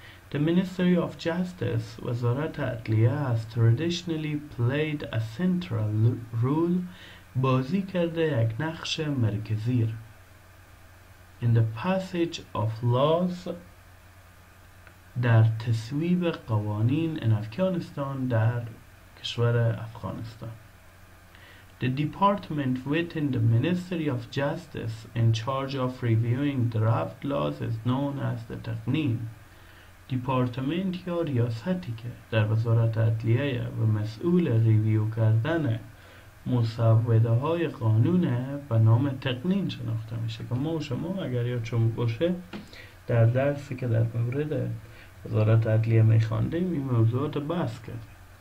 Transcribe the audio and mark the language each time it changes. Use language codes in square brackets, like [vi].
[en] The Ministry of Justice, وزارت عدلیه, has traditionally played a central role, [fa] بازی کرده یک نقش مرکزی را. [en] In the passage of laws, [fa] در تصویب قوانین [en] in Afghanistan, [fa] در کشور افغانستان. [en] The department within the Ministry of Justice in charge of reviewing draft laws is known as the تقنین. [fa] دیپارتمنت یا ریاستی که در وزارت عدلیه و مسئول ریویو کردن مصوبه های قانون به نام تقنین شناخته میشه. که ما و شما اگر یا چون باشه در درسی که در مورد وزارت عدلیه میخواندیم این موضوعات بحث کردیم.